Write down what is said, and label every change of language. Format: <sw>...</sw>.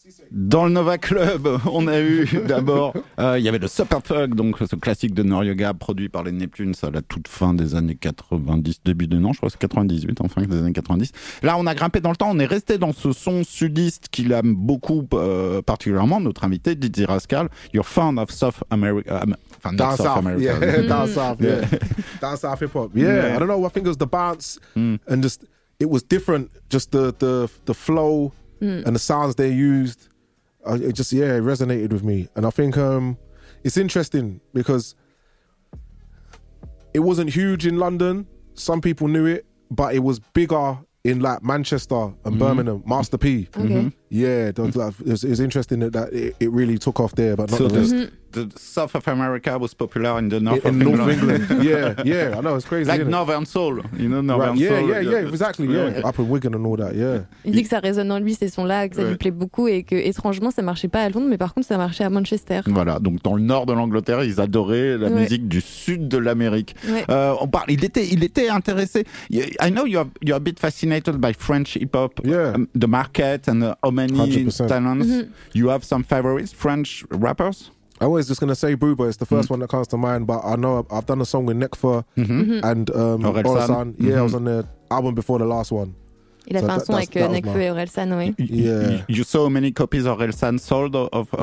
<fr>Dans le Nova Club, on a eu d'abord, il y avait le Super Thug, donc ce classique de Noriega produit par les Neptunes à la toute fin des années 90, début de non, je crois que c'est 98, enfin des années 90. Là, on a grimpé dans le temps, on est resté dans ce son sudiste qu'il aime beaucoup, particulièrement, notre invité Dizzy Rascal,</fr> <en>You're Fond of South America. Dance South hip hop. I don't know, I think it was the bounce, and just, it was different, just the flow and the sounds they used. It resonated with me. And I think it's interesting because it wasn't huge in London. Some people knew it, but it was bigger in like Manchester and Birmingham. Master P. Okay. Mm-hmm. Yeah, it's interesting that it really took off there, but not so the rest. The South of America was popular in the north of England. North England. Yeah, I know, it's crazy. Like Northern Soul, you know, Northern Soul. Yeah, exactly. Up in Wigan and all that, yeah.</en> <fr>Il dit que ça résonne en lui, ces sons-là, que ça lui plaît beaucoup et que, étrangement, ça marchait pas à Londres, mais par contre, ça marchait à Manchester. Voilà, donc dans le nord de l'Angleterre, ils adoraient la musique du sud de l'Amérique. Ouais. Il était intéressé.</fr> <en>I know you're a bit fascinated by French hip-hop, the market and how many 100%. Talents. Mm-hmm. You have some favorites, French rappers? I was just going to say Booba, it's the first one that comes to mind, but I know I've done a song with Nekfeu and Orelsan. Yeah, I was on the album before the last one.</en> <fr>Il a fait un son avec Nekfeu et Orelsan, oui.</fr> <en>Yeah. You saw many copies of Orelsan sold of</en>